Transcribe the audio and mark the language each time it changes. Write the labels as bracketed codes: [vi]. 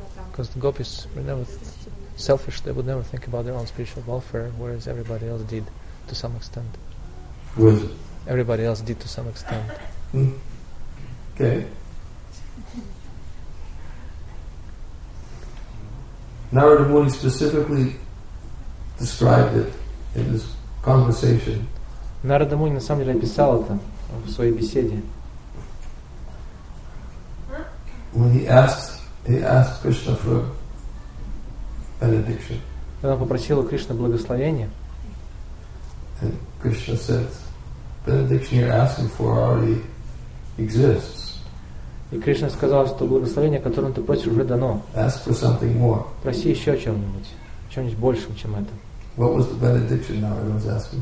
[en] Because the gopis were never selfish, they would never think about their own spiritual welfare, whereas everybody else did to some extent. With? Everybody else did to some extent. Okay. Narada Muni specifically described it in his conversation. [ru] Narada Muni на самом деле описал это в своей беседе. [en] When he asked Krishna for benediction. [ru] Когда он попросил у Кришны благословение. [en] And Krishna said, benediction you're asking for already exists. [ru] И Кришна сказал, что благословение, которое ты просишь, уже дано. [en] Ask for something more. [ru] Проси еще о чем-нибудь. Чем-нибудь большим, чем это. [en] What was the benediction Narada was asking?